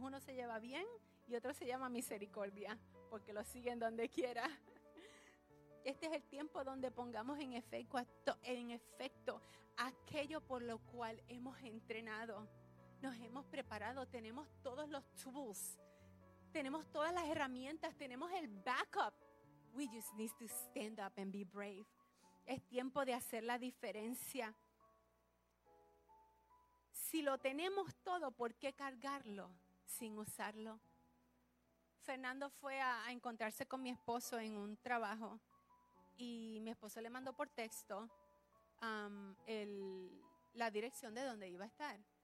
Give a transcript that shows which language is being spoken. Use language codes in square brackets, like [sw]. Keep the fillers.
[es] Uno se lleva bien y otro se llama misericordia, porque lo siguen donde quiera. Este es el tiempo donde pongamos en efecto, en efecto aquello por lo cual hemos entrenado, nos hemos preparado, tenemos todos los tools, tenemos todas las herramientas, tenemos el backup. [en] We just need to stand up and be brave. [es] Es tiempo de hacer la diferencia. Si lo tenemos todo, ¿por qué cargarlo sin usarlo? Fernando fue a, a encontrarse con mi esposo en un trabajo y mi esposo le mandó por texto um, el, la dirección de donde iba a estar.